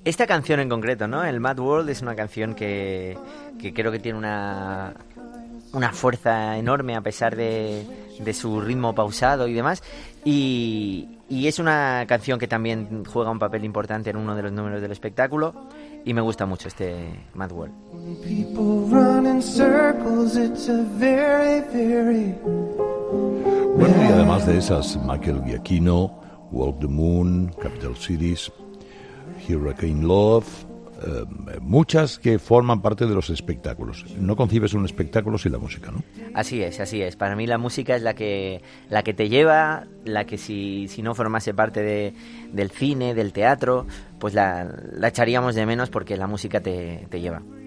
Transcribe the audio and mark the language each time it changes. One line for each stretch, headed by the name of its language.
Spanish: Esta canción en concreto, ¿no? El Mad World es una canción que creo que tiene una fuerza enorme a pesar de su ritmo pausado y demás. Y es una canción que también juega un papel importante en uno de los números del espectáculo. Y me gusta mucho este Mad World.
English: People run in circles, it's a very, very...
Spanish: Bueno, y además de esas, Michael Giacchino, Walk the Moon, Capital Cities, Hurricane Love, muchas que forman parte de los espectáculos. No concibes un espectáculo sin la música, ¿no? Así es, así es. Para mí la música es la que te lleva, la que si no formase parte del cine, del teatro, pues la echaríamos de menos porque la música te lleva.